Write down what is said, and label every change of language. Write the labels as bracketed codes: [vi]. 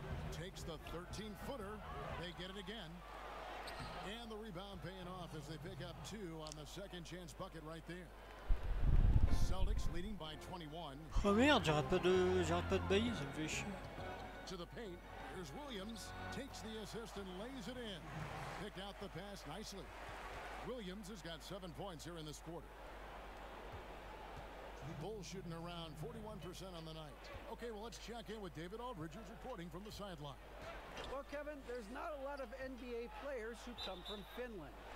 [en] Takes the 13-footer. They get it again. And the rebound paying off as they pick up 2 on the second chance bucket right there. Celtics leading by 21. [fr] Oh merde, j'arrête pas de bailler, ça me fait chier. [en] To the paint, here's Williams, takes the assist and lays it in. Pick out the pass nicely. Williams has got 7 points here in this quarter. Bulls shooting around 41% on the night. Okay, well, let's check in with David Aldridge, who's reporting from the sideline. Well, Kevin, there's not a lot of NBA players who come from Finland.